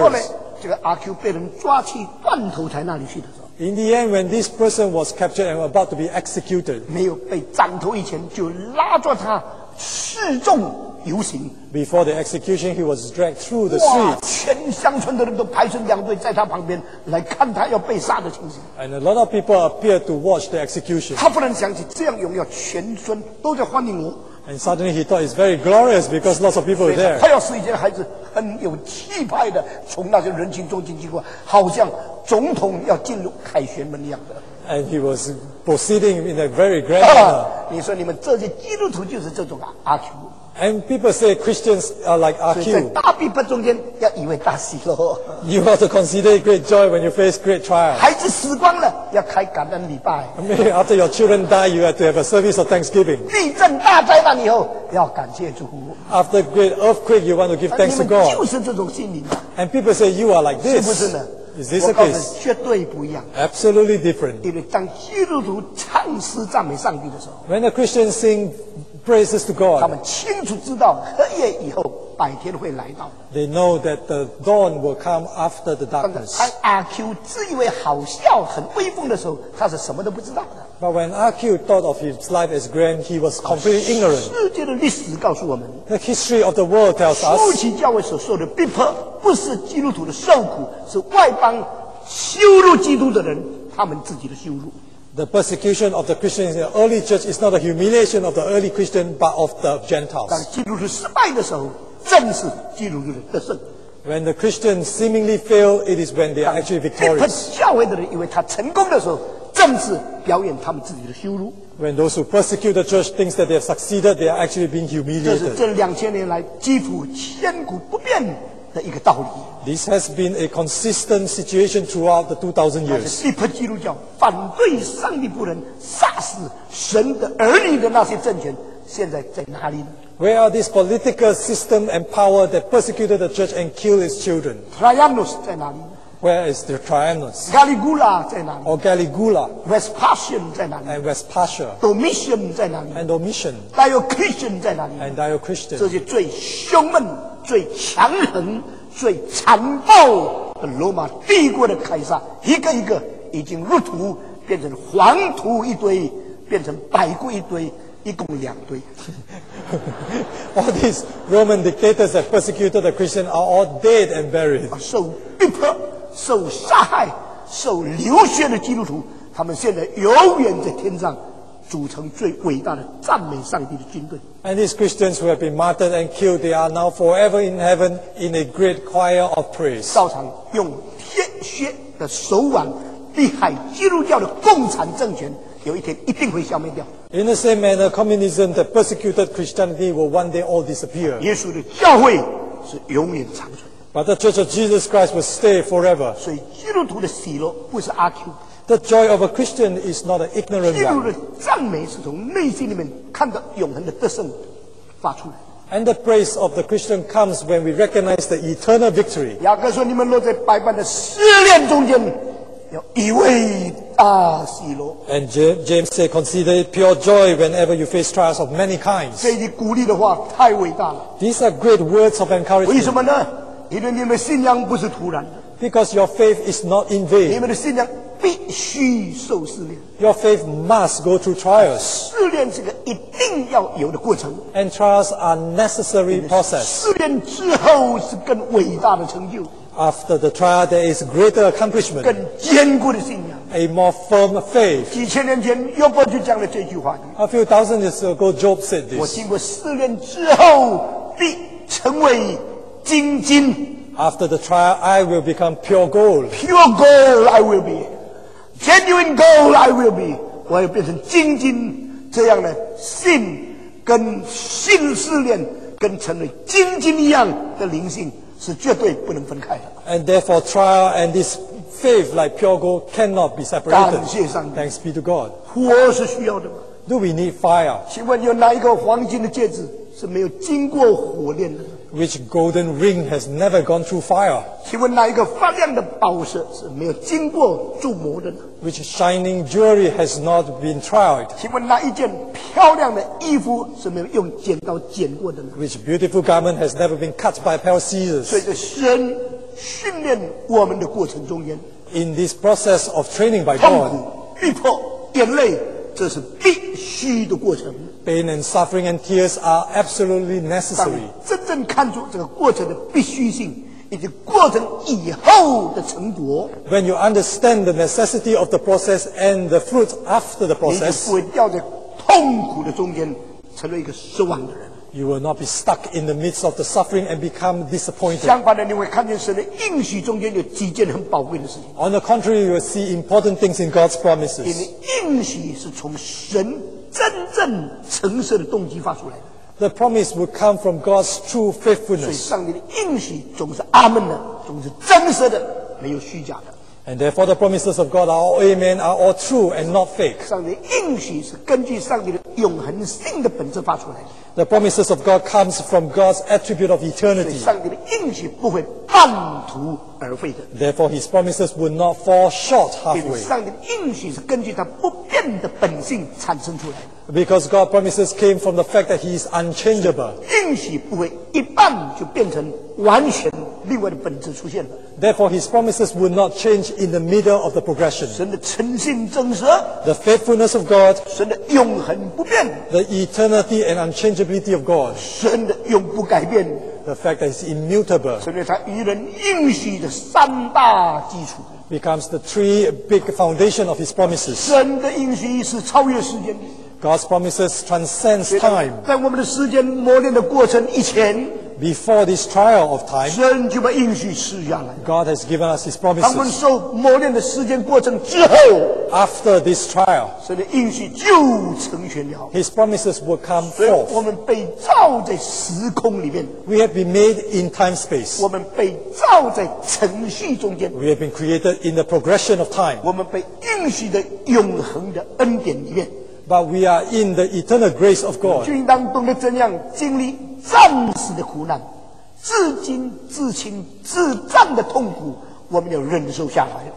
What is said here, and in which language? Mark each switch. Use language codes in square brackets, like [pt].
[zh] 后来这个阿 Q 被人抓去断头台那里去的时候。 [en] In the end, when this person was captured and about to be executed, [zh] 没有被斩头以前就拉着他示众游行。 [en] Before the execution, he was dragged through the streets. [zh] 全乡村的人都排成两队在他旁边来看他要被杀的情形。 [en] And a lot of people appeared to watch the execution. [zh] 他忽然想起这样荣耀，全村都在欢迎我。 [en] And suddenly he thought it's very glorious because lots of people were there. [zh] 他要是一些孩子很有气派的从那些人群中经过，好像总统要进入凯旋门一样的。 [en] And he was proceeding in a very grand manner. [zh] 你说你们这些基督徒就是这种阿 Q。 [en] And people say Christians are like RQ. [zh] 所以在大逼迫中间要以为大喜咯。 [en] You have to consider great joy when you face great trial. [zh] 孩子死光了，要开感恩礼拜。 [en] After your children die, you have to have a service of thanksgiving. [zh] 地震大灾难以后要感谢主。 [en] After great earthquake, you want to give thanks to God. [zh] 就是这种心理。 [en] And people say you are like this. [zh] 是不是呢？ [en] Is this a case? [zh] 我告诉你，绝对不一样。 [en] Absolutely different. [zh] 因为当基督徒唱诗赞美上帝的时候 [en] ，When a Christian sing praises to God， [zh] 他们清楚知道黑夜以后白天会来到。 [en] They know that the dawn will come after the darkness. [zh] 当阿 Q 自以为好笑、很威风的时候，他是什么都不知道的。 [en] But when RQ thought of his life as grand, he was completely ignorant. [zh] 世界的历史告诉我们 [en] ，The history of the world tells us， [zh] 初期教会所受的逼迫。不是基督徒的受苦，是外邦羞辱基督的人他们自己的羞辱。 [en] The persecution of the Christians in the early church is not the humiliation of the early Christian, but of the Gentiles. [zh] 当基督徒失败的时候，正是基督徒的得胜。 [en] When the Christians seemingly fail, it is when they are actually victorious. [zh] 逼迫教会的人以为他成功的时候，正是表演他们自己的羞辱。 [en] When those who persecute the church think that they have succeeded, they are actually being humiliated. [zh] 这是这两千年来几乎千古不变。的一个道理。 [en] This has been a consistent situation throughout the 2,000 years. [zh] 逼迫基督教反对上帝仆人杀死神的儿女的那些政权，现在在哪里呢 [en] ？Where are these political system and power that persecuted the church and killed its children? [zh] Trajanus 在哪里 [en] ？Where is the Trajanus? [zh] Caligula 在哪里 [en] ？Or Caligula? [zh] Vespasian 在哪里 [en] ？And Vespasian. [zh] Domitian 在哪里 [en] ？And Domitian. [zh] Diocletian 在哪里 [en] ？And Diocletian. [zh] 这些最凶猛。最强横、最残暴的罗马帝国的凯撒，一个一个已经入土，变成黄土一堆，变成白骨一堆，一共两堆。 [en] All these Roman dictators that persecuted the Christians are all dead and buried. [zh] 受逼迫、受杀害、受流血的基督徒，他们现在永远在天上。组成最伟大的赞美上帝的军队。 [en] And these Christians who have been martyred and killed, they are now forever in heaven in a great choir of praise. [zh] 照常用铁血的手腕逼害基督教的共产政权，有一天一定会消灭掉。 [en] In the same manner, communism that persecuted Christianity will one day all disappear. [zh] 耶稣的教会是永远长存。 [en] But the Church of Jesus Christ will stay forever. [zh] 所以基督徒的喜乐不是阿 Q。 [en] The joy of a Christian is not an ignorant one. [zh] 基督的赞美是从内心里面看到永恒的得胜发出来。 [en] And the praise of the Christian comes when we recognize the eternal victory. [zh] 雅各说：“你们落在百般的试炼中间，要以为大喜乐。” [en] And James said, "Consider it pure joy whenever you face trials of many kinds." [zh] 这句鼓励的话太伟大了。 [en] These are great words of encouragement. [zh] 为什么呢？因为你们的信仰不是突然的。 [en] Because your faith is not in vain. [zh] 你们的信仰必须受试炼。 [en] Your faith must go through trials. [zh] 试炼是个一定要有的过程。 [en] And trials are necessary process. [zh] 试炼之后是更伟大的成就。 [en] After the trial, there is greater accomplishment. [zh] 更坚固的信仰。 [en] a more firm faith. [zh] 几千年前约伯就讲了这句话。 [en] A few thousand years ago, Job said this. [zh] 我经过试炼之后，必成为金金。 [en] After the trial, I will become pure gold. Pure gold, I will be. Genuine gold, I will be. [zh] 我要变成金金这样的信，跟信试炼，跟成为金金一样的灵性是绝对不能分开的。 [en] And therefore, trial and this faith like pure gold cannot be separated. Thanks be to God. [zh] 火是需要的吗？ [en] Do we need fire? [zh] 请问有哪一个黄金的戒指是没有经过火炼的？ [en] Which golden ring has never gone through fire? [zh] 请问哪一个发亮的宝石是没有经过铸磨的呢？ [en] Which shining jewelry has not been tried? [zh] 请问哪一件漂亮的衣服是没有用剪刀剪过的呢？ [en] Which beautiful garment has never been cut by a pair of scissors? [zh] 随着神训练我们的过程中间， [en] In this process of training by God, [zh] 痛苦、逼迫、眼泪，这是必须的过程。 [en] Pain and suffering and tears are absolutely necessary. [zh] 当你真正看出这个过程的必须性，以及过程以后的成果， [en] When you understand the necessity of the process and the fruit after the process, [zh] 你就不会掉在痛苦的中间，成为一个失望的人。 [en] You will not be stuck in the midst of the suffering and become disappointed. [zh] 相反的，你会看见神的应许中间有几件很宝贵的事情。 [en] On the contrary, you will see important things in God's promises. [zh] 因为应许是从神真正诚实的动机发出来的。 [en] The promise will come from God's true faithfulness. [zh] 所以上帝的应许总是阿们的，总是真实的，没有虚假的。 [en] And therefore, the promises of God are all amen, are all true and not fake. [zh] 上帝的应许是根据上帝的永恒性的本质发出来的。 [en] The promises of God comes from God's attribute of eternity. [zh] 上帝的应许不会半途而废的。 [en] Therefore, His promises will not fall short halfway. [zh] 上帝的应许是根据他不变的本性产生出来的。 [en] Because God's promises came from the fact that He is unchangeable. [zh] 应许不会一半就变成完全另外的本质出现了。 [en] Therefore, His promises will not change in the middle of the progression. [zh] 神的诚信真实。 [en] The faithfulness of God. [zh] 神的永恒不变。 [en] The eternity and unchangeability of God. [zh] 神的永不改变。 [en] The fact that He's immutable. [zh] 成为他与人应许的三大基础。 [en] Becomes the three big foundation of His promises. [zh] 神的应许是超越时间。 [en] God's promises transcend time. [zh] 在我们的时间磨练的过程以前， [en] Before this trial of time, [zh] 神就把应许赐下来。 [en] God has given us His promises. [zh] 当我们受磨练的时间过程之后， [en] After this trial, [zh] 神的应许就成全了。 [en] His promises will come forth. [zh] 我们被造在时空里面。 [en] We have been made in time space. [zh] 我们被造在程序中间。 [en] We have been created in the progression of time. [zh] 我们被应许的永恒的恩典里面。 [en] But we are in the eternal grace of God. [zh] 就应当懂得怎样经历暂时的苦难，至今至亲至战的痛苦，我们要忍受下来。